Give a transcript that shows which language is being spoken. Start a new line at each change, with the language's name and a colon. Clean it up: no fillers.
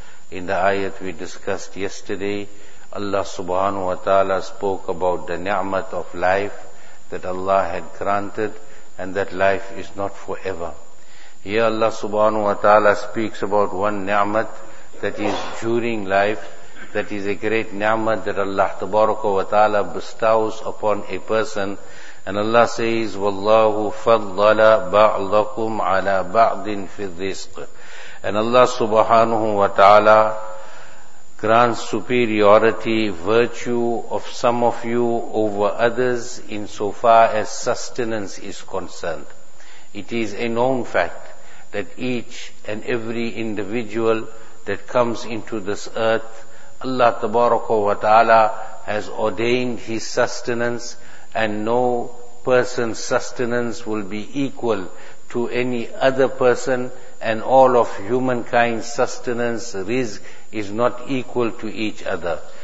English: In the ayat we discussed yesterday, Allah Subhanahu wa Ta'ala spoke about the ni'mat of life that Allah had granted, and that life is not forever. Here Allah Subhanahu wa Ta'ala speaks about one ni'mat that is during life. That is a great ni'mat that Allah Tabaraka wa Ta'ala bestows upon a person. And Allah says,
Arabic: وَاللَّهُ فَضَّلَ بَعْضَكُمْ عَلَى بَعْضٍ فِي الرِّزْقِ.
English: And Allah Subhanahu wa Ta'ala grants superiority, virtue of some of you over others insofar as sustenance is concerned. It is a known fact that each and every individual that comes into this earth, Allah Tabaraka wa Ta'ala has ordained his sustenance, and no person's sustenance will be equal to any other person, and all of humankind's sustenance, rizq, is not equal to each other.